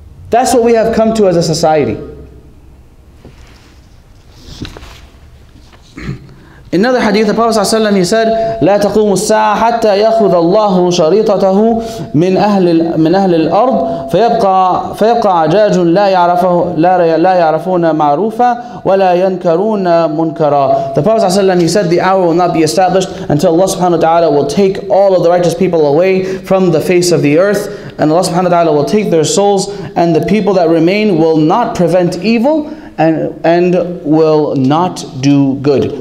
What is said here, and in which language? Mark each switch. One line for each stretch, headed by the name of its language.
English: That's what we have come to as a society. In another hadith, the Prophet ﷺ, he said,
Arabic: لا تقوم الساعة حتى يأخذ الله شريطته من أهل الأرض فيبقى عجاج لا يعرفون معروفا ولا ينكرون منكرا.
English: The Prophet ﷺ, he said, the hour will not be established until Allah subhanahu wa ta'ala will take all of the righteous people away from the face of the earth, and Allah subhanahu wa ta'ala will take their souls, and the people that remain will not prevent evil and will not do good.